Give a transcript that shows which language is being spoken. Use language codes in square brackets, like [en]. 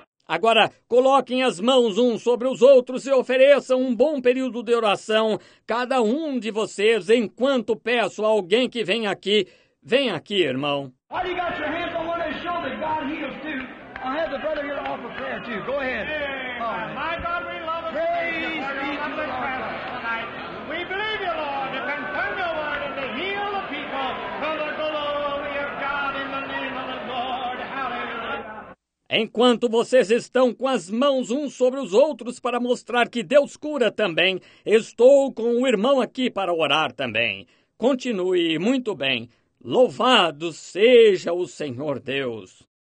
[pt] Agora, coloquem as mãos uns sobre os outros e ofereçam um bom período de oração. Cada um de vocês, enquanto peço a alguém que venha aqui. Vem aqui, irmão. [en] Why you got your hands? I want to show that God heals too. I have the brother here to offer prayer too. Go ahead. Yeah. Right. My God, we love you. Praise be to the Lord. Tonight. We believe you, Lord, to confirm your word and to heal the people for the glory of God in the name of the Lord. Hallelujah. [pt] Enquanto vocês estão com as mãos uns sobre os outros para mostrar que Deus cura também, estou com o irmão aqui para orar também. Continue muito bem. Louvado seja o Senhor Deus!